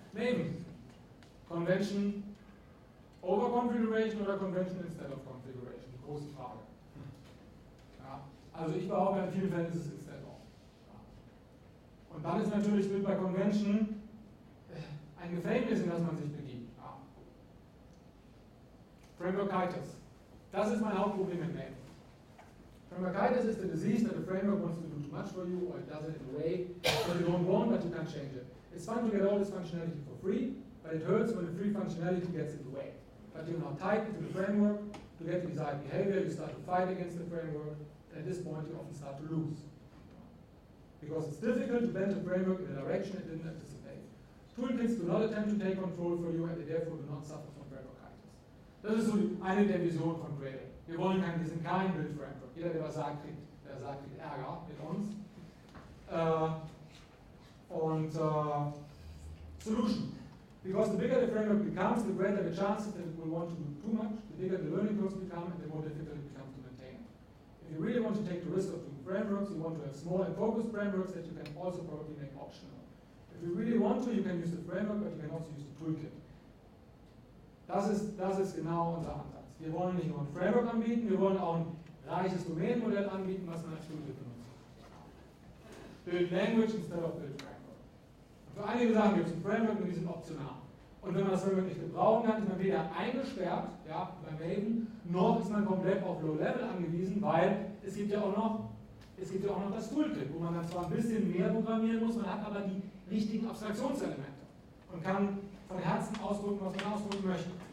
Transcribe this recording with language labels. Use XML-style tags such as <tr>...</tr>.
<de>Neben Convention over Configuration oder Convention instead of Configuration, große Frage. Ja. Also ich behaupte, in vielen Fällen ist es instead of. Ja. Und dann ist natürlich mit bei Convention ein Gefängnis, in das man sich begibt. Ja. Frameworkitis. Das ist mein Hauptproblem in Maven.</de> <en>Frameworkitis is the disease that the framework wants to do too much for you or it does it in a way that you don't want, but you can't change it. It's fun to get all this functionality for free, but it hurts when the free functionality gets in the way. But you're not tied into the framework to get the desired behavior, you start to fight against the framework, and at this point you often start to lose. Because it's difficult to bend the framework in a direction it didn't anticipate. Toolkits do not attempt to take control for you and they therefore do not suffer from frameworkitis.</en> <de>Das ist so eine der Visionen von Gradle. Wir wollen keinen, wir sind kein Build Framework. Jeder, der was sagt, kriegt, Ärger mit uns.</de> <en>Solution. Because the bigger the framework becomes, the greater the chance that it will want to do too much, the bigger the learning curves become, and the more difficult it becomes to maintain. If you really want to take the risk of doing frameworks, you want to have small and focused frameworks that you can also probably make optional. If you really want to, you can use the framework, but you can also use the toolkit.</en> <de>Das ist genau unser Ansatz. Wir wollen nicht nur ein Framework anbieten, wir wollen auch ein reiches Domainmodell anbieten, was man als Studie benutzt.</de> <en>Build Language instead of Build Framework.</en> <de>Für einige Sachen gibt es ein Framework und die sind optional. Und wenn man das Framework nicht gebrauchen kann, ist man weder eingesperrt, ja, bei Maven, noch ist man komplett auf Low Level angewiesen, weil es gibt ja auch noch das Toolkit, wo man dann zwar ein bisschen mehr programmieren muss, man hat aber die richtigen Abstraktionselemente und kann von Herzen ausdrücken, was man ausdrücken möchte.</de>